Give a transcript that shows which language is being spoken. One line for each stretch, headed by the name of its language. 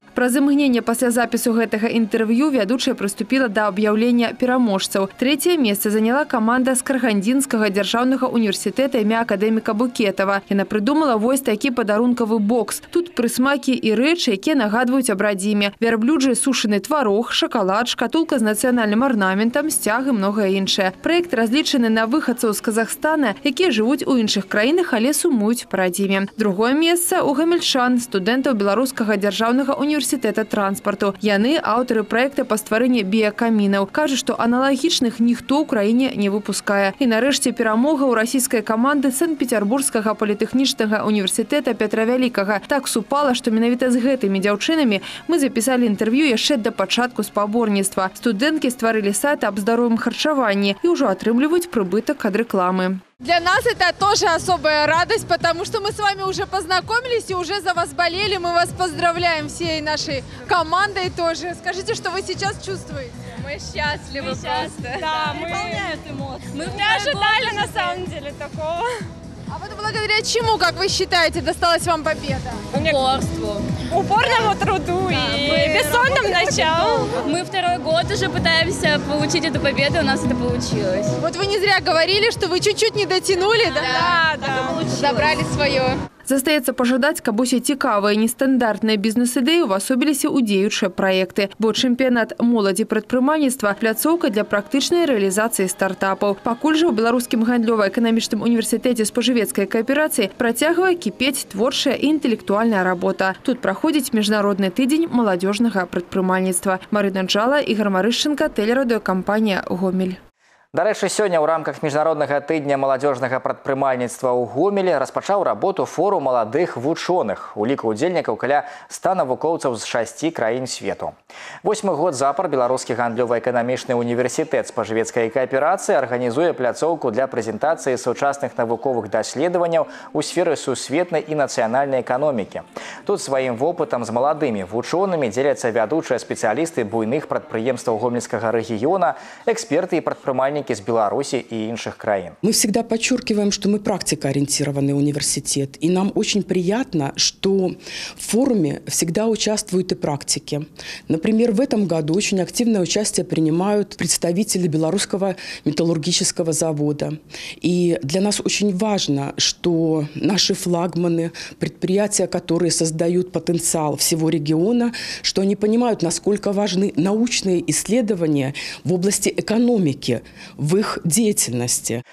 Belarusian: Пра замгненне пасля запісу гэтага інтэрв'ю вядучая прыступіла да аб'яўлення пераможцаў. Трэцяе месца заняла каманда з Карагандзінскага дзяржаўнага універсітэта імя акадэміка Букетава. Яна прыдумала вось такі падарункавы бокс. Тут прысмакі і рэчы, якія нагадваюць аб радзіме. Вярблюджы сушаны тварог, шакалад, шкатулка з нацыянальным арнаментам, сцяг і многае іншае. Праект разлічаны на выхадцаў з Казахстана, якія жывуць у іншых краінах, але сумуюць па радзіме. Другое месца ў гамельчан, студэнтаў Беларускага дзяржаўнага Университета транспорту. Яны аўтары проекта по стварэнні біякамінаў. Кажуць, што аналагічных ніхто ў краіне не выпускае. І нарэшце перамога ў расійскай каманды Санкт-Петербургскага політэхнічнага універсітэта Пятра Вялікага. Так супала, што менавіта з гэтымі дзяўчынамі мы запісалі інтэрв'ю яшчэ да пачатку спаборніцтва. Студэнткі стварылі сайт аб здаровым харчаванні і ўжо атрымліваюць прыбытак ад рэкламы.
Russian: Для нас это тоже особая радость, потому что мы с вами уже познакомились и уже за вас болели. Мы вас поздравляем всей нашей командой тоже. Скажите, что вы сейчас чувствуете? Мы счастливы, просто. Да, мы не ожидали на самом деле такого. А вот благодаря чему, как вы считаете, досталась вам победа? Упорству. Упорному труду, да, и бессонным началом. Мы второй год уже пытаемся получить эту победу, у нас это получилось. Вот вы не зря говорили, что вы чуть-чуть не дотянули, да? Да, получилось. Забрали свое.
Belarusian: Застаецца пажадаць, каб усе цікавыя нестандартныя бізнес-ідэі ўвасобіліся ў дзеючыя праекты. Бо чэмпіянат моладзі прадпрымальніцтва – пляцоўка для практычнай рэалізацыі стартапаў. Пакуль жа ў Беларускім гандлёва-эканамічным універсітэце спажывецкай кааперацыі працягвае кіпець творчая і інтэлектуальная работа. Тут праходзіць міжнародны тыдзень маладзёжнага прадпрымальніцтва. Марына Джала, Ігар Марышчынка, тэлерадыёкампанія «Гомель». Дарэчы, сёння ў рамках міжнароднага тыдня маладзёжнага прадпрымальніцтва ў Гомелі распачаў работу форум маладых вучоных. У ліку ўдзельнікаў каля 100 навукоўцаў з 6 краін свету. Восьмы год запар беларускі гандлёва-эканамічны універсітэт спажывецкай кааперацыі арганізуе пляцоўку для прэзентацыі сучасных навуковых даследаванняў у сферы сусветнай і нацыянальнай эканомікі. Тут сваім вопытам з маладымі вучонымі дзеляцца вядучыя спецыялісты буйных прадпрыемстваў гомельскага рэгіёна, эксперты і прадпрымальнікі з Беларусі і іншых краін.
Russian: Мы всегда подчеркиваем, что мы практикоориентированный университет, и нам очень приятно, что в форуме всегда участвуют и практики. Например, в этом году очень активное участие принимают представители белорусского металлургического завода. И для нас очень важно, что наши флагманы, предприятия, которые создают потенциал всего региона, что они понимают, насколько важны научные исследования в области экономики, в их деятельности.